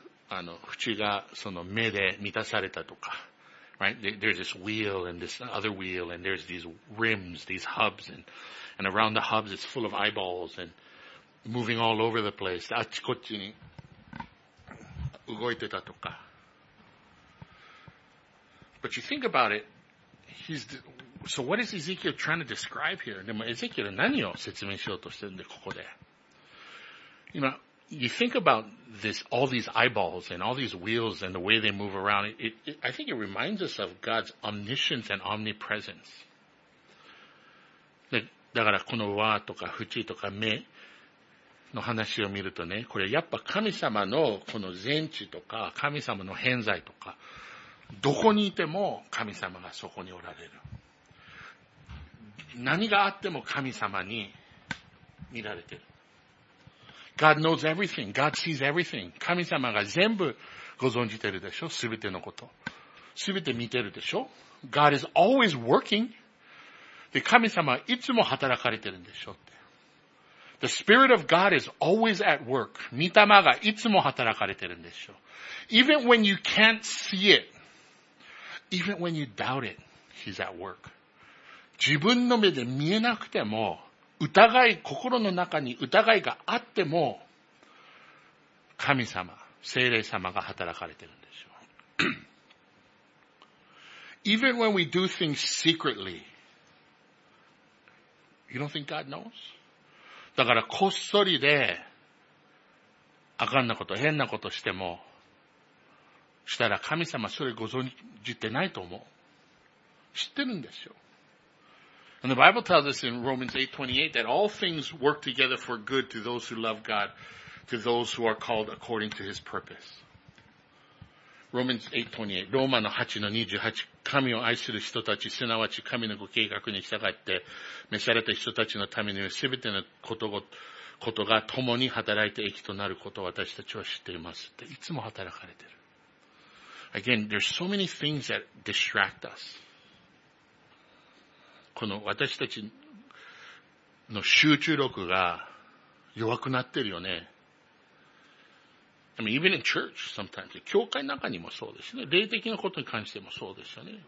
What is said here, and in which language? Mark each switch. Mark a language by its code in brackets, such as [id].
[ja] 縁がその目で満たされたとか。 [en] Right? There's this wheel and this other wheel and there's these rims, these hubs and around the hubs it's full of eyeballs and moving all over the place. [ja] あちこちに動いてたとか。 [en] But you think about it, So what is Ezekiel trying to describe here? [ja] でも、エゼキエル何を説明しようとしてるんで、ここで。 [en] You know, you think about this, all these eyeballs and all these wheels and the way they move around, I think it reminds us of God's omniscience and omnipresence. [ja] で、だから、この輪とか縁とか目の話を見るとね、これやっぱ神様のこの全知とか、神様の偏在とか、どこにいても神様がそこにおられる。何があっても神様に見られてる。 [en] God knows everything. God sees everything. [ja] 神様が全部ご存じてるでしょ、すべてのこと。すべて見てるでしょ。 [en] God is always working. [ja] で、神様はいつも働かれてるんでしょって。 [en] The Spirit of God is always at work. [ja] 御霊がいつも働かれてるんでしょ。 [en] Even when you can't see it, even when you doubt it, He's at work. [ja] 自分の目で見えなくても、心の中に疑いがあっても、神様、聖霊様が働かれてるんでしょ。 [en] Even when we do things secretly, you don't think God knows? [ja] だからこっそりで、あかんなこと、変なことしても、したら神様それご存じてないと思う。知ってるんですよ。 [en] And the Bible tells us in Romans 8:28 that all things work together for good to those who love God, to those who are called according to His purpose. Romans 8:28. [ja] ローマの8の28。神を愛する人たち、すなわち神のご計画に従って、召された人たちのためには、すべてのことが共に働いて益となることを私たちは知っています。っていつも働かれている。 [en] Again, there's so many things that distract us. [ja] この私たちの集中力が弱くなってるよね。 [en] I mean, even in church sometimes. [ja] 教会の中にもそうですよね。霊的なことに関してもそうですよね。